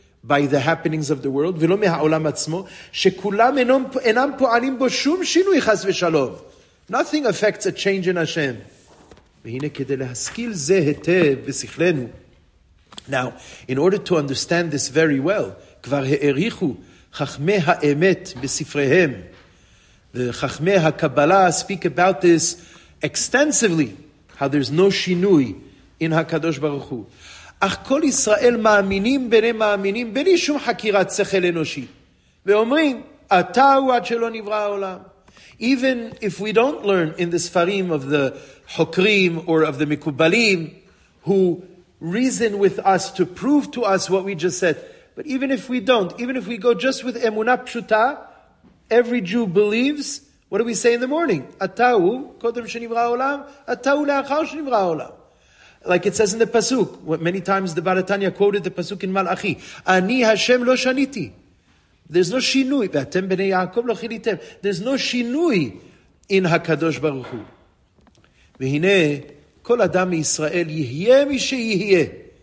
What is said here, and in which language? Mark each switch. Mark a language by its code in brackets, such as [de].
[en] by the happenings of the world, [he] ולא מהעולם עצמו, שכולם אינם פועלים בו שום שינוי חס ושלום. [en] Nothing affects a change in Hashem. [he] והנה כדי להשכיל זה היטב בשכלנו. [en] Now, in order to understand this very well, [he] כבר העריכו חכמי האמת בספריהם. [en] The חכמי הקבלה speak about this extensively, how there's no שינוי in הקדוש ברוך הוא. [he] אך כל ישראל מאמינים בני מאמינים, בלי שום חקירת שכל אנושי. ואומרים, אתה הוא עד שלא נברא העולם. [en] Even if we don't learn in the ספרים of the חוקרים or of the מקובלים, who reason with us to prove to us what we just said, but even if we don't, even if we go just with emunah pshuta, every Jew believes, what do we say in the morning? [he] אתה הוא קודם שנברא העולם, אתה הוא לאחר שנברא העולם. [en] Like it says in the Pasuk, many times the Baal HaTanya quoted the Pasuk in Malachi, [he] Ani Hashem lo shaniti. [en] There's no shinui. [he] Ve'atem b'nei Yaakov lo chilitem. [en] There's no shinui in HaKadosh Baruch Hu. [he] Ve'hineh, kol adam Yisrael yihyeh mi sheyihyeh.